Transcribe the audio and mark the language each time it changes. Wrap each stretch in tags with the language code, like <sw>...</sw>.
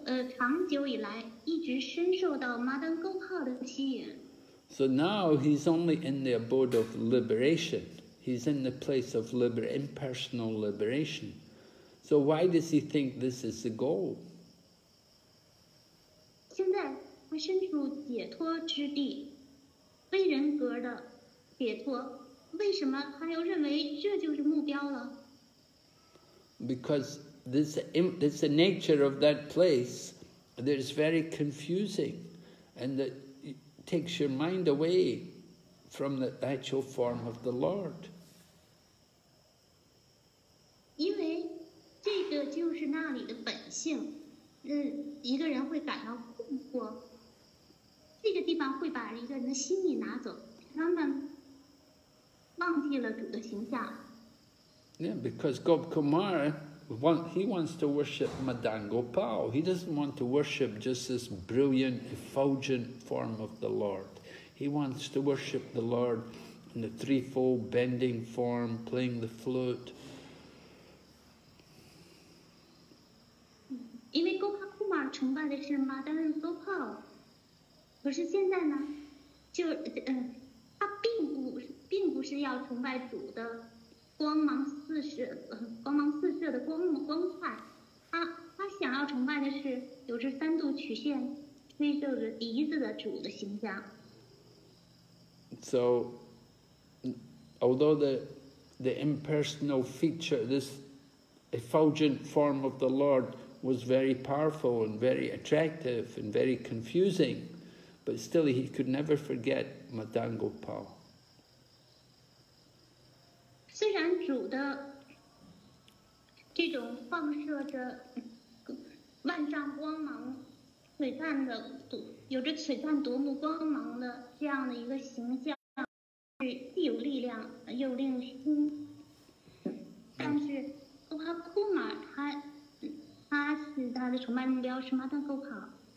<zh>长久以来一直深受到 Madan Gopal 的吸引。</zh> <en>So now he's only in the abode of liberation. He's in the place of impersonal liberation. So why does he think this is the goal?</en> <zh>现在他身处解脱之地，非人格的解脱，为什么他又认为这就是目标了？</zh> <en>Because this the nature of that place that is very confusing and that takes your mind away from the actual form of the Lord.</en> <zh>因为这个就是那里的本性，一个人会感到困惑，这个地方会把一个人的心意拿走，他们忘记了主的形象。</zh> <en>Yeah, because Gop Kumar, he wants to worship Madan Gopal. He doesn't want to worship just this brilliant, effulgent form of the Lord. He wants to worship the Lord in the threefold bending form, playing the flute. Because</en> <zh>Gop Kumar 崇拜的是 Madan Gopal, 可是现在呢，就他并不是要崇拜主的光芒四射的光彩，他想要崇拜的是有着三度曲线吹奏着笛子的主的形象。</zh> <en>So, although the impersonal feature, this effulgent form of the Lord was very powerful and very attractive and very confusing, but still he could never forget Madan Gopal.</en> <zh>虽然主的这种放射着万丈光芒、璀璨的、有着璀璨夺目光芒的这样的一个形象，是既有力量又令心，但是格帕库玛他是他的崇拜目标是马丹格帕。</zh>